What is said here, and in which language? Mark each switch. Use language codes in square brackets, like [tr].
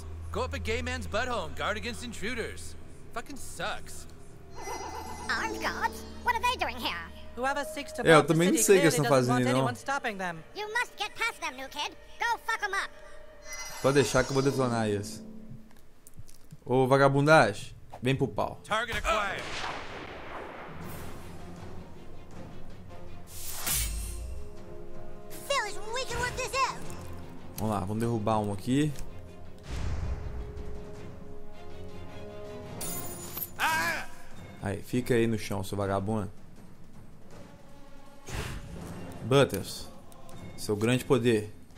[en] Go up a gay man's butt home, guard against intruders. Fucking sucks. Armed guards? What are they doing here? Whoever seeks to bomb the city clearly doesn't want anyone stopping them. You must get past them, new kid. Go fuck them up. [pt] Pode deixar que eu vou detonar eles. Ô, vagabundagem, vem pro pau. [en] Target acquired. Fellas, we can work this out. [pt] Vamos lá, vamos derrubar um aqui. Aí, fica aí no chão, seu vagabundo. Butters, seu grande poder.